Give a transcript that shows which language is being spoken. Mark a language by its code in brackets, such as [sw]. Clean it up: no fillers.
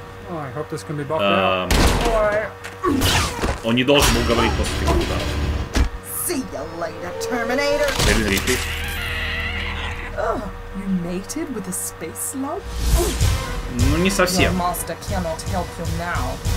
[en] Oh, I hope this can be buffed out. [ru] Он не должен был говорить после таких ударов. [en] See you later, Terminator. [ru] Эрин Рипли. [en] You mated with a space slug? [ru] Ну, не совсем. [en] Your master cannot help you now.